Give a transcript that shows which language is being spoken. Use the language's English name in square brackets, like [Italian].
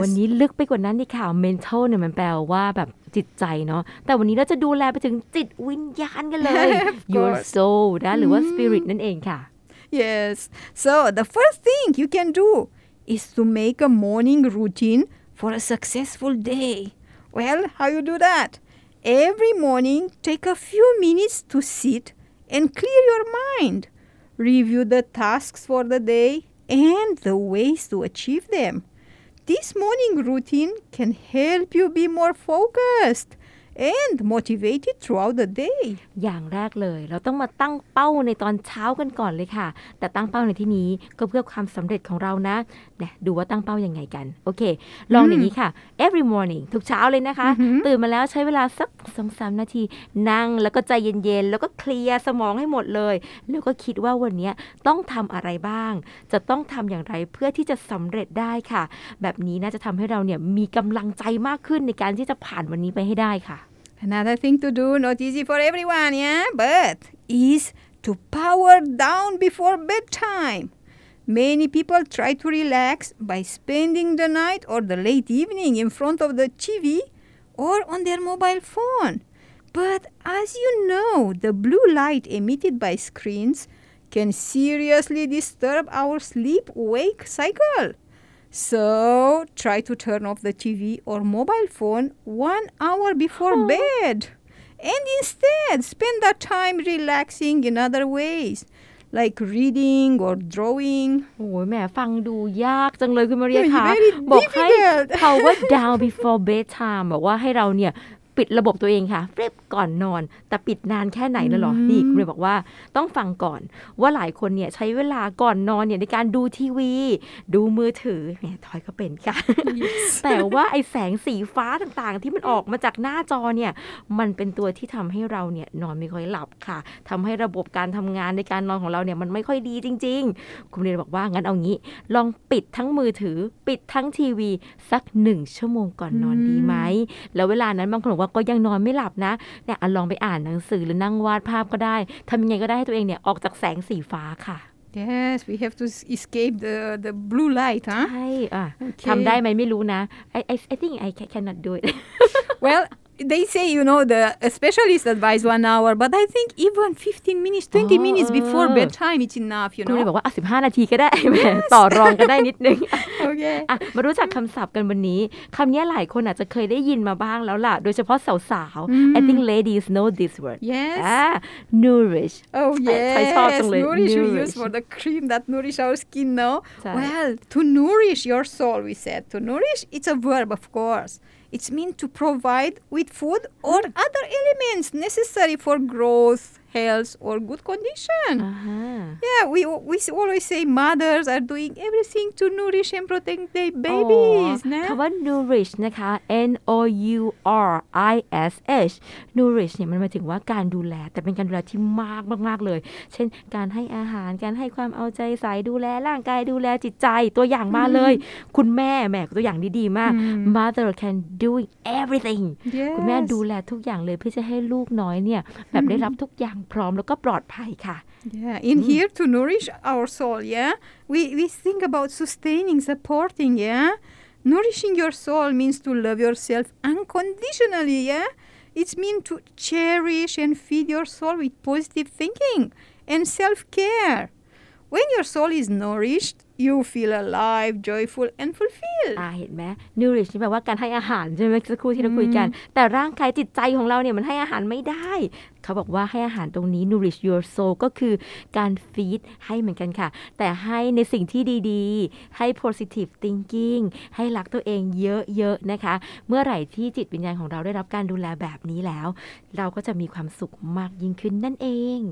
[Thai] วันนี้ลึกไปกว่านั้นดีค่ะ Mental เนี่ยมันแปลว่าแบบจิตใจเนาะแต่วันนี้เราจะดูแลไปถึงจิตวิญญาณกันเลย Your soul นะหรือว่า spirit นั่นเองค่ะ [English] Yes. So the first thing you can do is to make a morning routine for a successful day. Well, how you do that? Every morning, take a few minutes to sit and clear your mind. Review the tasks for the dayAnd the ways to achieve them. This morning routine can help you be more focused and motivated throughout the day. [Thai] อย่างแรกเลยเราต้องมาตั้งเป้าในตอนเช้ากันก่อนเลยค่ะแต่ตั้งเป้าในที่นี้ก็เพื่อความสำเร็จของเรานะเนี่ยดูว่าตั้งเป้ายังไงกันโอเคลองอย่างนี้ค่ะ [English] Every morning [Thai] ทุกเช้าเลยนะคะตื่นมาแล้วใช้เวลาสัก 2-3 นาทีนั่งแล้วก็ใจเย็นๆแล้วก็เคลียร์สมองให้หมดเลยแล้วก็คิดว่าวันนี้ต้องทำอะไรบ้างจะต้องทำอย่างไรเพื่อที่จะสำเร็จได้ค่ะแบบนี้น่าจะทำให้เราเนี่ยมีกำลังใจมากขึ้นในการที่จะผ่านวันนี้ไปให้ได้ค่ะ [English] Another thing to do not easy for everyone yeah but is to power down before bedtimeMany people try to relax by spending the night or the late evening in front of the TV or on their mobile phone. But as you know, the blue light emitted by screens can seriously disturb our sleep-wake cycle. So try to turn off the TV or mobile phone 1 hour before bed. And instead, spend that time relaxing in other ways. Like reading or drawing. [Thai] โอ้ยแม่ฟังดูยากจังเลยคุณมาเรียค่ะบอกให้ [English] power down before bedtime [Thai] บอกว่าให้เราเนี่ยปิดระบบตัวเองค่ะเรียบก่อนนอนแต่ปิดนานแค่ไหนแล้วหรอนี่คุณเรียบอกว่าต้องฟังก่อนว่าหลายคนเนี่ยใช้เวลาก่อนนอนเนี่ยในการดูทีวีดูมือถือเนี่ยทอยก็เป็นค่ะ [English] yes. [Thai] แต่ว่าไอ้แสงสีฟ้าต่างๆที่มันออกมาจากหน้าจอเนี่ยมันเป็นตัวที่ทำให้เราเนี่ยนอนไม่ค่อยหลับค่ะทำให้ระบบการทำงานในการนอนของเราเนี่ยมันไม่ค่อยดีจริงๆคุณเรียบอกว่างั้นเอางี้ลองปิดทั้งมือถือปิดทั้งทีวีสัก1ชั่วโมงก่อนนอนดีไหมแล้วเวลานั้นบางคนบอกว่าก็ยังนอนไม่หลับนะเนี่ยลองไปอ่านหนังสือหรือนั่งวาดภาพก็ได้ทำยังไงก็ได้ให้ตัวเองเนี่ยออกจากแสงสีฟ้าค่ะ [English] Yes we have to escape the blue light huh [Thai] ใช่okay. ทำได้ไหมไม่รู้นะ [English] I think I cannot do it Well they say you know the specialist advise 1 hour but I think even 15 minutes 20 oh. minutes before bedtime it's enough you know [Thai] คุณบอกว่า15นาทีก็ได้ต่อรองก็ได้นิดนึง [English] Okay. [Thai] มารู้จักคำศัพท์กันวันนี้คำนี้หลายคนอาจจะเคยได้ยินมาบ้างแล้วล่ะโดยเฉพาะสาวๆ [English] I think ladies know this word Yes Nourish Oh yes Nourish we use for the cream that nourish our skin, no? Well, to nourish your soul, we said To nourish, it's a verb, of course It's mean to provide with food or other elements necessary for growthhealth or good condition. Uh-huh. Yeah, we always say mothers are doing everything to nourish and protect their babies. [Thai] คำว่า nourish นะคะ N-O-U-R-I-S-H nourish เนี่ยมันหมายถึงว่าการดูแลแต่เป็นการดูแลที่มากมากๆเลยเช่นการให้อาหารการให้ความเอาใจใส่ดูแลร่างกายดูแลจิตใจตัวอย่างมาเลย คุณแม่แม่ตัวอย่างดีๆมาก [English] mother can doing everything yes. [Thai] คุ ณแม่ดูแลทุกอย่างเลยเพื่อจะให้ลูกน้อยเนี่ยแบบได้รับทุกอย่างพร้อมแล้วก็ปลอดภัยค่ะ [English] Yeah in here to nourish our soul yeah we think about sustaining supporting yeah nourishing your soul means to love yourself unconditionally yeah it's mean to cherish and feed your soul with positive thinking and self care when your soul is nourished you feel alive joyful and fulfilled [Thai] เห็นไหม nourish แปลว่าการให้อาหารใช่ไหมสักครู่ที่เราคุยกันแต่ร่างกายจิตใจของเราเนี่ยมันให้อาหารไม่ได้เขาบอกว่าให้อาหารตรงนี้ nourish your soul ก็คือการ feed ให้เหมือนกันค่ะแต่ให้ในสิ่งที่ดีๆให้ positive thinking ให้รักตัวเองเยอะๆนะคะเมื่อไหร่ที่จิตวิญญาณของเราได้รับการดูแลแบบนี้แล้วเราก็จะมีความสุขมากยิ่งขึ้นนั่นเอง